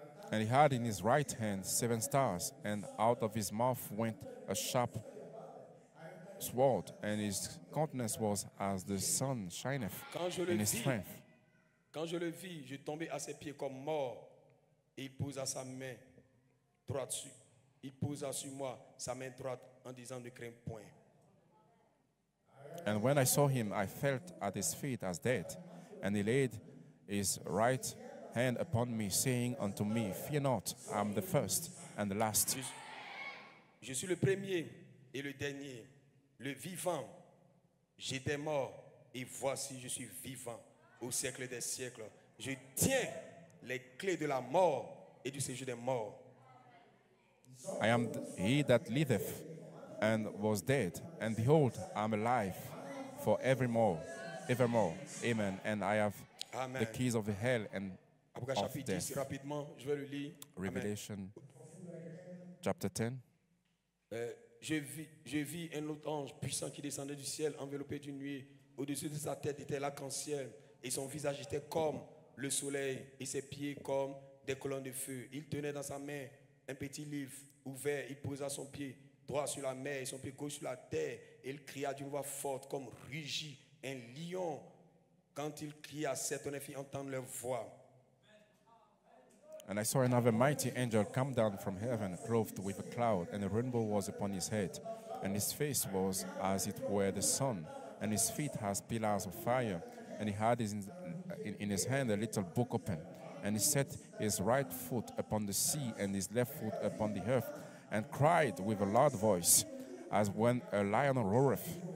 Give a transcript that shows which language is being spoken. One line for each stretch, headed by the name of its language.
English: And he had in his right hand seven stars, and out of his mouth went a sharp sword, and his countenance was as the sun shineth in his strength.
French: Quand je le vis, je tombai à ses pieds comme mort, et il posa sa main droite sur, il posa sur moi sa main droite en disant, ne crains point.
English: And when I saw him, I felt at his feet as dead, and he laid his right hand upon me, saying unto me, fear not, I am the first and the last.
French: Je suis le premier et le dernier, le vivant. J'étais mort, et voici, je suis vivant au siècle des siècles. Je tiens les clés de la mort et du séjour des morts.
English: I am he that liveth and was dead, and behold, I am alive for evermore, evermore. Amen. And I have the keys of the hell and
French: Apocalypse 10, rapidement, je vais le lire.
English: Revelation chapter 10.
French: Je vis un autre ange puissant qui descendait du ciel, enveloppé d'une nuée. Au-dessus de sa tête était l'arc-en-ciel, et son visage était comme le soleil, et ses pieds comme des colonnes de feu. Il tenait dans sa main un petit livre ouvert. Il posa son pied droit sur la mer et son pied gauche sur la terre. Et il cria d'une voix forte, comme rugit un lion. Quand il cria, certains firent entendre leur voix.
English: And I saw another mighty angel come down from heaven, clothed with a cloud, and a rainbow was upon his head, and his face was as it were the sun, and his feet as pillars of fire, and he had in his hand a little book open, and he set his right foot upon the sea and his left foot upon the earth, and cried with a loud voice, as when a lion roareth.